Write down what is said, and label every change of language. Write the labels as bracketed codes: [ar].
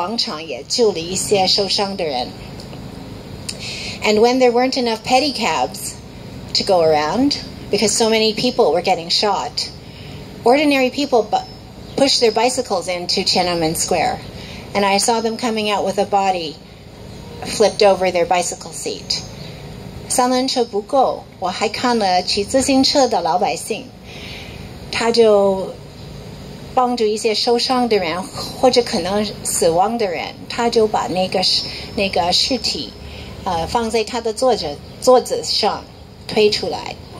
[zh] 救护车不够的时候，还有人登了那个三轮车，老头，都是老头登了自行车的三轮车，他也进广安，天安门广场，也救了一些受伤的人. [en] And when there weren't enough pedicabs to go around, because so many people were getting shot, ordinary people pushed their bicycles into Tiananmen Square, and I saw them coming out with a body flipped over their bicycle seat. [zh] 三轮车不够，我还看了骑自行车的老百姓，他就帮助一些受伤的人，或者可能死亡的人，他就把那个尸体放在他的座子上推出来。